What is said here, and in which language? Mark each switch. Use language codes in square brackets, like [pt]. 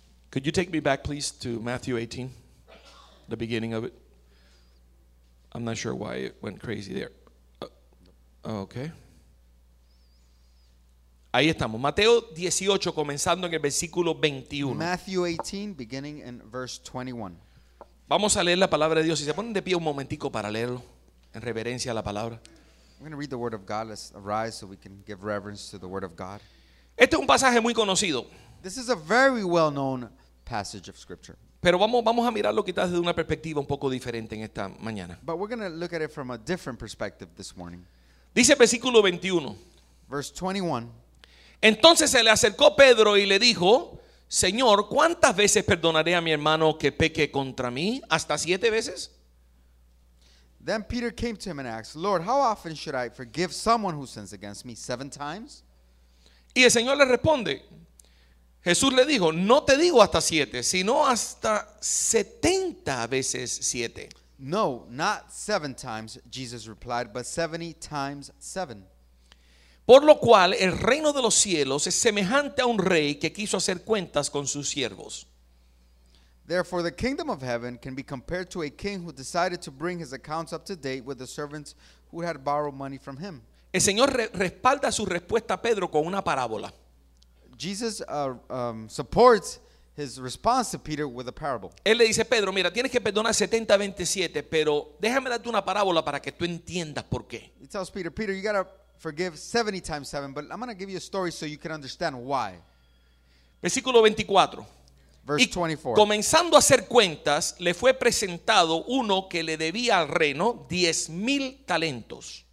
[en] Could you take me back, please, to Matthew 18, the beginning of it? I'm not sure why it went crazy there. Okay. [es] Ahí estamos. Mateo 18, comenzando en el versículo 21. [en] Matthew 18, beginning in verse 21. [es] Vamos a leer la palabra de Dios. Si se ponen de pie un momentico para leerlo, en reverencia a la palabra. [en] I'm going to read the word of God. Let's arise so we can give reverence to the word of God. [es] Este es un pasaje muy conocido. [en] This is a very well-known passage of scripture. [es] Pero vamos a mirarlo quizás desde una perspectiva un poco diferente en esta mañana. [en] But we're going to look at it from a different perspective this morning. [es] Dice el versículo 21. [en] Verse 21. [es] Entonces se le acercó Pedro y le dijo, Señor, ¿cuántas veces perdonaré a mi hermano que peque contra mí? ¿Hasta siete veces? [en] Then Peter came to him and asked, Lord, how often should I forgive someone who sins against me? 7 times? [es] Y el Señor le responde, Jesús le dijo, no te digo hasta 7, sino hasta 70 veces 7. [en] No, not 7 times, Jesus replied, but 70 times 7. [es] Por lo cual el reino de los cielos es semejante a un rey que quiso hacer cuentas con sus siervos. [en] Therefore, the kingdom of heaven can be compared to a king who decided to bring his accounts up to date with the servants who had borrowed money from him. [es] El Señor respalda su respuesta a Pedro con una parábola. [en] Jesus supports his response to Peter with a parable. [es] Él le dice a Pedro, mira, tienes que perdonar 70 veces 7, pero déjame darte una parábola para que tú entiendas por qué. [en] He tells Peter, Peter, you got to forgive 70 times 7, but I'm going to give you a story so you can understand why. [es] Versículo 24. [en] Verse 24. [es] Y comenzando a hacer cuentas, le fue presentado uno que le debía al reino 10,000 talentos.